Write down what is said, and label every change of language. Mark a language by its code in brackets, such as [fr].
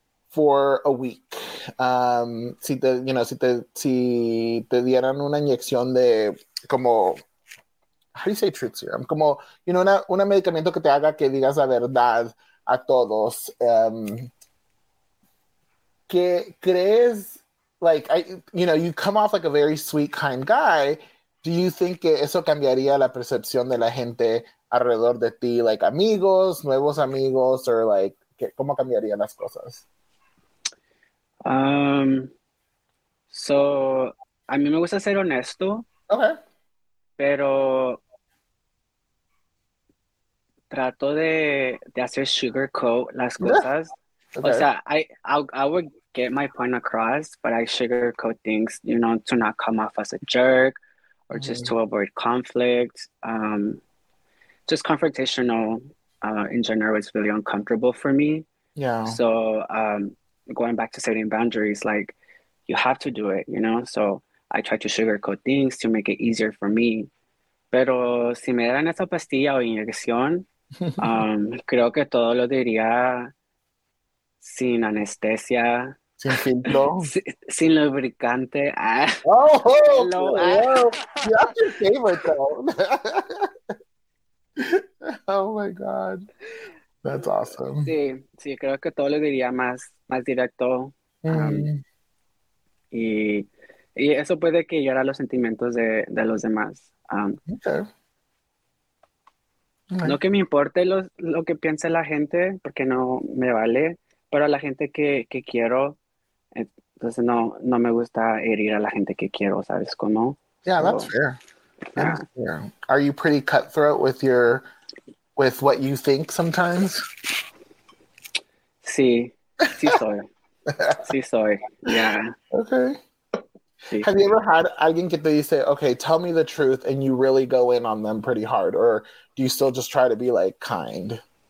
[en] for a week. [es] Si te, [en] you know, [es] si te dieran una inyección de como, [en] how do you say truth serum? [es] Como, [en] you know, [es] una medicamento que te haga que digas la verdad a todos. ¿Qué crees? [en] Like, you come off like a very sweet, kind guy. Do you think [es] que eso cambiaría la percepción de la gente alrededor de ti? Like, amigos, nuevos amigos, or like, que, ¿cómo cambiarían las cosas? So, a mí me gusta ser honesto. [en] Okay. [es] Pero trato de hacer sugarcoat las cosas. Okay. O sea, [en] I would get my point across, but I sugarcoat things, you know, to not come off as a jerk or just to avoid conflict. Just confrontational in general is really uncomfortable for me. Yeah. So going back to setting boundaries, like, you have to do it, you know? So I try to sugarcoat things to make it easier for me. [es] Pero si me dan esa pastilla o inyección, creo que todo lo diría sin anestesia. Sin filtro. Sin lubricante. Ah. [en] Oh, hello. Oh, that's your favorite, though. Oh, my God. That's awesome. [es] Sí, sí, creo que todo lo diría más directo. Y eso puede que llegara a los sentimientos de los demás. No que me importe lo que piense la gente, porque no me vale, pero a la gente que quiero, entonces no me gusta herir a la gente que quiero, ¿sabes cómo? [en] Yeah, so, that's fair. Yeah. Are you pretty cutthroat with what you think sometimes? [es] Sí soy. Sí soy, yeah. Okay. Sí. [en] Have you ever had [es] alguien que te dice, [en] okay, tell me the truth, and you really go in on them pretty hard, or do you still just try to be, like, kind?